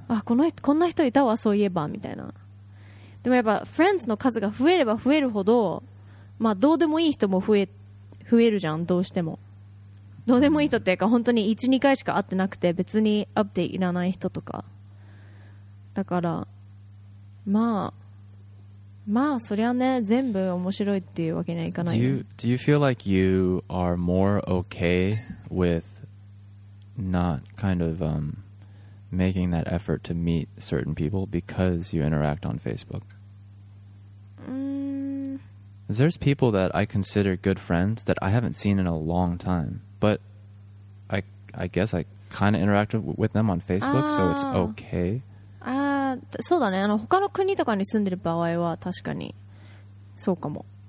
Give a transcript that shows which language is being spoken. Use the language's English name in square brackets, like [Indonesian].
[Japanese] あ、この人、こんな人いたわ、そういえばみたいな。でもやっぱフレンズの数が増えれば増えるほど、まあどうでもいい人も増えるじゃん、どうしても。どうでもいい人っていうか、本当に 1,2 回しか会ってなくて別にアップデートいらない人とか。だからまあそりゃね、全部面白いっていうわけにはいかない、ね。 [English] Do you feel like you are more okay with not kind of making that effort to meet certain people because you interact on Facebook? There's people that I consider good friends that I haven't seen in a long time, but I guess I kind of interact with them on Facebook, so it's okay. [Japanese] そうだね。あの、他の国とかに住んでる場合は確かにそうかも。